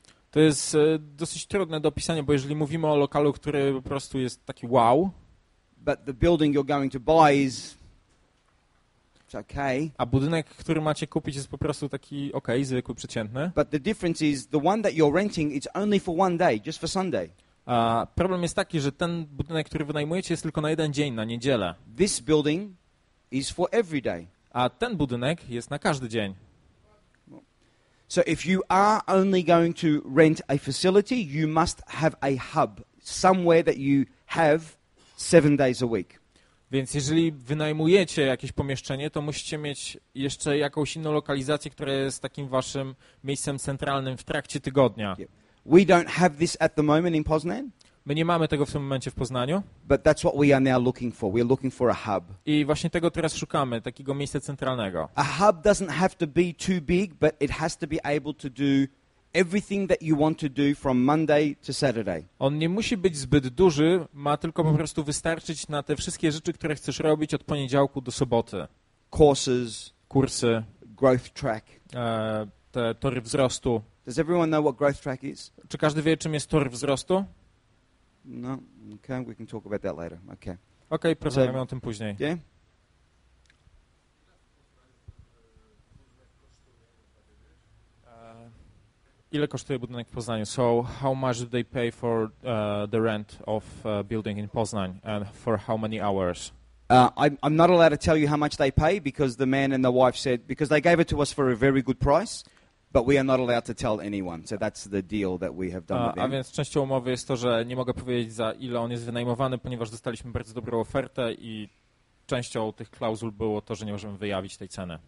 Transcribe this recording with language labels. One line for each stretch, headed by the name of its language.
Polish: To jest dosyć trudne do opisania, bo jeżeli mówimy o lokalu, który po prostu jest taki wow,
English: but the building you're going to buy is it's okay.
Polish: A budynek, który macie kupić, jest po prostu taki okej, zwykły, przeciętny.
English: But the difference is the one that you're renting, it's only for one day, just for Sunday.
Polish: Problem jest taki, że ten budynek, który wynajmujecie, jest tylko na jeden dzień, na niedzielę.
English: This building is for every day.
Polish: A ten budynek jest na każdy dzień.
English: So if you are only going to rent a facility, you must have a hub somewhere that you have 7 days a week.
Polish: Więc jeżeli wynajmujecie jakieś pomieszczenie, to musicie mieć jeszcze jakąś inną lokalizację, która jest takim waszym miejscem centralnym w trakcie tygodnia.
English: We don't have this at the moment in Poznań.
Polish: My nie mamy tego w tym momencie w Poznaniu.
English: But that's what we are now looking for. We're looking for a hub.
Polish: I właśnie tego teraz szukamy, takiego miejsca centralnego.
English: A hub doesn't have to be too big, but it has to be able to do everything that you want to do from Monday to Saturday.
Polish: On nie musi być zbyt duży, ma tylko po prostu wystarczyć na te wszystkie rzeczy, które chcesz robić od poniedziałku do soboty.
English: Courses,
Polish: kursy,
English: growth track,
Polish: te tory wzrostu.
English: Does everyone know what growth track is?
Polish: Czy każdy wie, czym jest tor wzrostu?
English: No, okay, we can talk about that later. Okay.
Polish: Okay, porozmawiamy o tym później.
English: Yeah?
Polish: Ile kosztuje budynek w Poznaniu?
English: So how much do they pay for the rent of a building in Poznań and for how many hours? I'm not allowed to tell you how much they pay because the man and the wife said, because they gave it to us for a very good price, but we are not allowed to tell anyone. So that's the deal that we have done with them.
Polish: A więc częścią umowy jest to, że nie mogę powiedzieć za ile on jest wynajmowany, ponieważ dostaliśmy bardzo dobrą ofertę i częścią tych klauzul było to, że nie możemy wyjawić tej ceny.